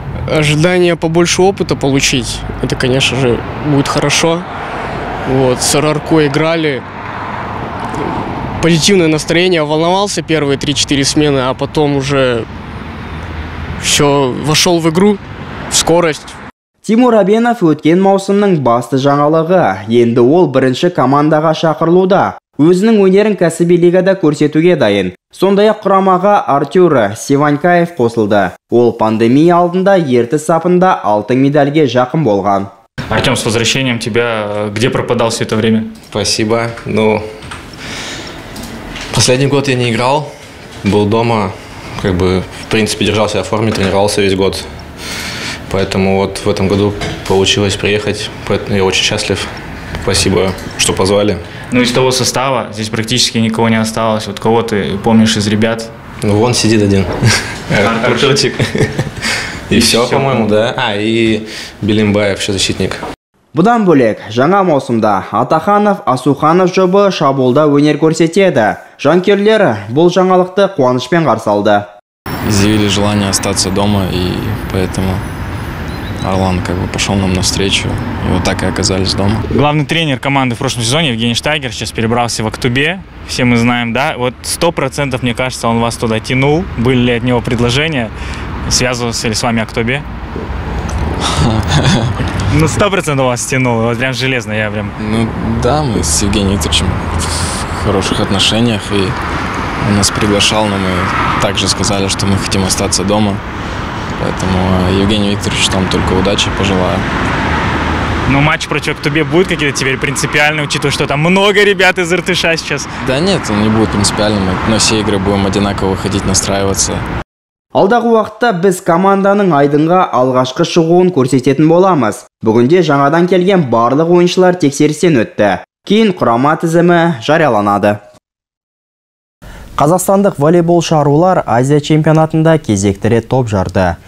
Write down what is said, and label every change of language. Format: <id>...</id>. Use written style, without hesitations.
<ru>Ожидание побольше опыта получить, это, конечно же, будет хорошо. Вот, с РРК играли, позитивное настроение, волновался первые 3-4 смены, а потом уже все, вошел в игру, в скорость.</ru> <kk>Тимур Абенов өткен маусымның басты жаңалығы. Енді ол бірінші командаға шақырылуда. Өзінің өнерін кәсіби лигада көрсетуге дайын. Сондай-ақ құрамаға Артур Сиванькаев қосылды. Ол пандемия алдында Ертіс сапында алтын медальге жақын болған.</kk> <ru>Артем, с возвращением тебя. Где пропадал все это время? Спасибо. Ну, последний год я не играл. Был дома. Как бы, в принципе, держал себя в форме, тренировался весь год. Поэтому вот в этом году получилось приехать. Поэтому я очень счастлив. Спасибо, что позвали. Ну, из того состава здесь практически никого не осталось. Вот кого ты помнишь из ребят? Ну, вон сидит один. Артурчик. И все, по-моему, да. А, и Белимбаев, еще защитник.</ru> <kk>Бұдан бөлек, жаңа маусымда Атаханов, Асуханов жобы шабуылда өнер көрсетеді. Жанкерлер бұл жаңалықты қуанышпен қарсалды.</kk> <ru>Изъявили желание остаться дома, и поэтому Арлан как бы пошел нам навстречу, и вот так и оказались дома. Главный тренер команды в прошлом сезоне Евгений Штайгер сейчас перебрался в Актобе, все мы знаем, да? Вот 100%, мне кажется, он вас туда тянул, были ли от него предложения, связывался ли с вами Актобе? Ну, 100% вас тянул, вот прям железно, я прям... Ну, да, мы с Евгением Викторовичем в хороших отношениях, и он нас приглашал, но мы также сказали, что мы хотим остаться дома. Поэтому Евгений Викторович, там только удачи пожелаю. Ну, матч против Актобе будет какие-то теперь принципиальные, учитывая, что там много ребят из РТШа сейчас? Да нет, он не будет принципиальным. На все игры будем одинаково выходить, настраиваться.</ru> <kk>Алдағы уақытта біз команданың айдынға алғашқы шығуын көрсететін боламыз. Бүгінде жаңадан келген барлық ойыншылар тексерістен өтті. Кейін құрама тізімі жарияланады. Қазақстандық волейболшы арулар Азия чемпионатында кезекті рет топ жарды.</kk>